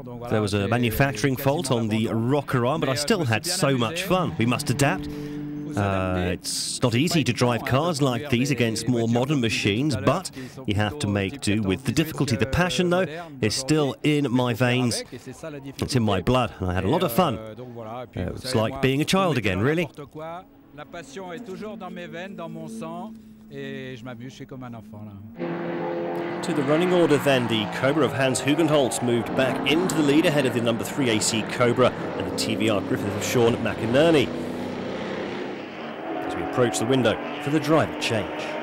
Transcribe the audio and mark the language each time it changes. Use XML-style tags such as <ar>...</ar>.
<en>There was a manufacturing fault on the rocker arm, but I still had so much fun. We must adapt. It's not easy to drive cars like these against more modern machines, but you have to make do with the difficulty. The passion, though, is still in my veins. It's in my blood, and I had a lot of fun. It's like being a child again, really.</en> <fr>La passion est toujours dans mes veines, dans mon sang.</fr> <en>To the running order then, the Cobra of Hans Hugenholtz moved back into the lead ahead of the number 3 AC Cobra and the TVR Griffith of Sean McInerney. As we approach the window for the driver change.</en>